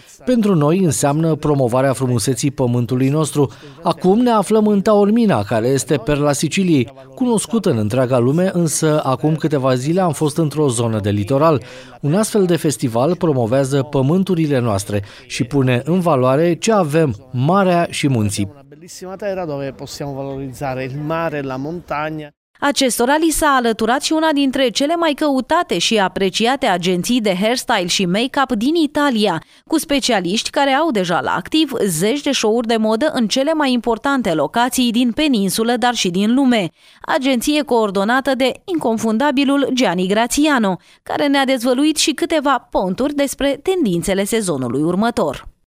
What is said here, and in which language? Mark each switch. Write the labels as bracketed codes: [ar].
[ro] Pentru noi înseamnă promovarea frumuseții pământului nostru. Acum ne aflăm în Taormina, care este perla Siciliei, cunoscută în întreaga lume, însă acum câteva zile am fost într-o zonă de litoral. Un astfel de festival promovează pământurile noastre și pune în valoare ce avem, marea și munții. [it] Bellissima terra dove possiamo valorizzare il mare, la montagna. [ro] Acestora li s-a alăturat și una dintre cele mai căutate și apreciate agenții de hairstyle și make-up din Italia, cu specialiști care au deja la activ zeci de show-uri de modă în cele mai importante locații din peninsulă, dar și din lume. Agenție coordonată de inconfundabilul Gianni Graziano, care ne-a dezvăluit și câteva ponturi despre tendințele sezonului următor.